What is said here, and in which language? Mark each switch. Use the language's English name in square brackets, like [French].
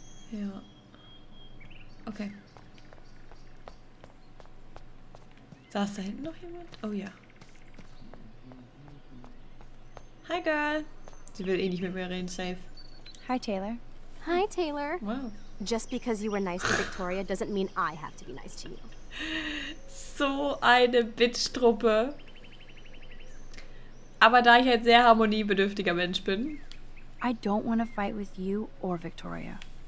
[German] Ja. Okay. Saß da hinten noch jemand? Oh ja. [English] Hi, Girl. [German] Sie will eh nicht mit mir reden, safe. [English] Hi, Taylor. Hi, Taylor. Wow. Just because you were nice to Victoria doesn't mean I have to be nice to you. [German] So eine Bitch-Truppe. Aber da ich ein sehr harmoniebedürftiger Mensch bin. [English] I don't want to fight with you or Victoria.